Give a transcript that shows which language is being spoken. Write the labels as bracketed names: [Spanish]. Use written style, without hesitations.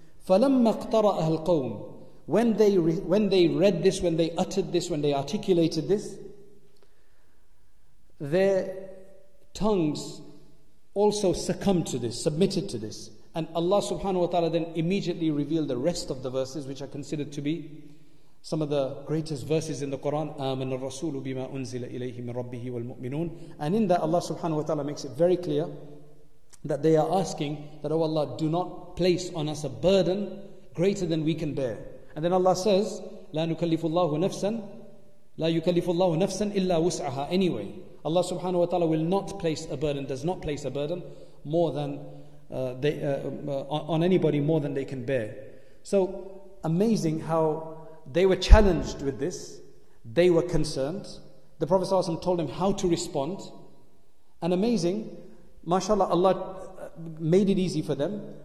[Arabic] فَلَمَّا اقْتَرَأَ الْقَوْمِ, [English] when they read this, when they uttered this, when they articulated this, their tongues also succumbed to this, submitted to this. And Allah subhanahu wa ta'ala then immediately revealed the rest of the verses, which are considered to be some of the greatest verses in the Quran. [Arabic] آمن الرسول بما أنزل إليه من ربه والمؤمنون. [English] And in that Allah subhanahu wa ta'ala makes it very clear that they are asking that, oh Allah, do not place on us a burden greater than we can bear. And then Allah says, [Arabic] لا يكلف الله نفسا إلا وسعها. [English] Anyway, Allah subhanahu wa ta'ala will not place a burden, does not place a burden more than on anybody more than they can bear. So amazing how they were challenged with this. They were concerned. The Prophet sallallahu alaihi wasallam told him how to respond. And amazing, mashallah, Allah made it easy for them.